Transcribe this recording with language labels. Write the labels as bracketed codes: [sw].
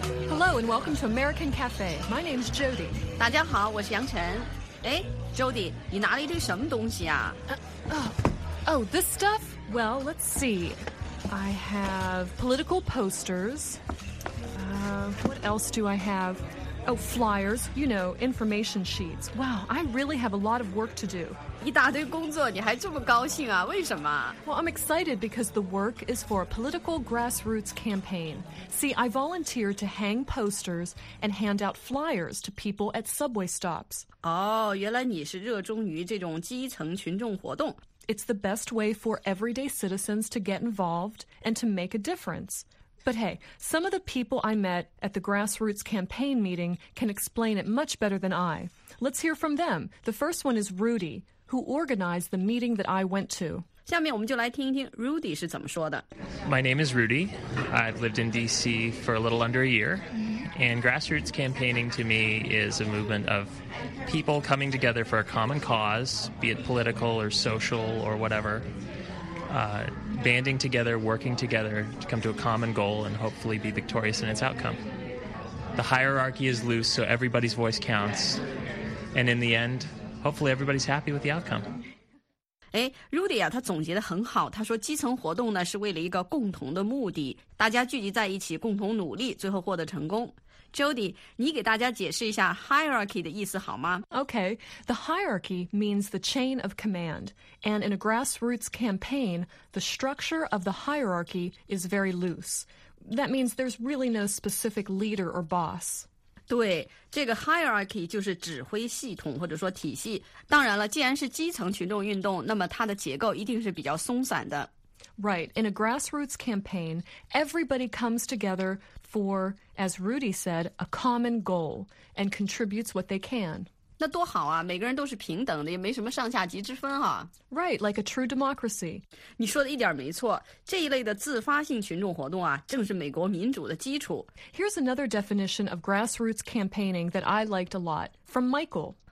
[en] Hello and welcome to American Cafe. My name is Jody. [zh] 大家好，我是杨晨。哎 ，Jody， 你拿了一堆什么东西啊 [en] ？Oh, this stuff. Well, let's see. I have political posters. What else do I have? Oh, flyers. You know, information sheets. Wow, I really have a lot of work to do. [zh] 一大堆工作，你还这么高兴啊？为什么 [en] ？Well, I'm excited because the work is for a political grassroots campaign. See, I volunteer to hang posters and hand out flyers to people at subway stops. [zh] 哦，原来你是热衷于这种基层群众活动。 [en] It's the best way for everyday citizens to get involved and to make a difference. But hey, some of the people I met at the grassroots campaign meeting can explain it much better than I. Let's hear from them. The first one is Rudy, who organized the meeting that I went to. [zh] 下面我们就来听一听 Rudy 是怎么说的。 [en] My name is Rudy. I've lived in D.C. for a little under a year. And grassroots campaigning to me is a movement of people coming together for a common cause, be it political or social or whatever, banding together, working together to come to a common goal and hopefully be victorious in its outcome. The hierarchy is loose, so everybody's voice counts. And in the end, hopefully everybody's happy with the outcome. [zh] 哎 ，Rudy 啊，他总结得很好。他说，基层活动呢是为了一个共同的目的，大家聚集在一起，共同努力，最后获得成功。 Jody， 你给大家解释一下 hierarchy 的意思好吗 [en] ？Okay, the hierarchy means the chain of command, and in a grassroots campaign, the structure of the hierarchy is very loose. That means there's really no specific leader or boss. [zh] 对，这个 hierarchy 就是指挥系统或者说体系。当然了，既然是基层群众运动，那么它的结构一定是比较松散的。 [en] Right, in a grassroots campaign, everybody comes together for, as Rudy said, a common goal and contributes what they can. [zh] 那多好啊，每个人都是平等的，也没什么上下级之分啊。 [en] Right, like a true democracy. [zh] 你说的一点没错，这一类的自发性群众活动啊，正是美国民主的基础。 [en] Here's another definition of grassroots campaigning that I liked a lot, from Michael.